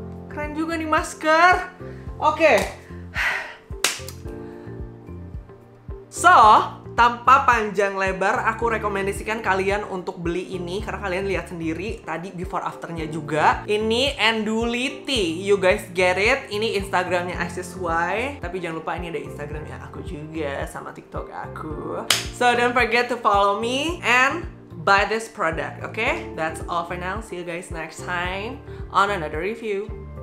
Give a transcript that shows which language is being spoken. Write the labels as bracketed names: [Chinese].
[Indonesian] Keren juga nih masker. Oke. Okay. So, tanpa panjang lebar, aku rekomendasikan kalian untuk beli ini karena kalian lihat sendiri tadi before afternya juga. [English] Ini Enduliti, you guys get it? [Indonesian] Ini Instagramnya Asiswai. Tapi jangan lupa ini ada Instagramnya aku juga sama TikTok aku. [English] So, don't forget to follow me and buy this product, okay? That's all for now. See you guys next time on another review.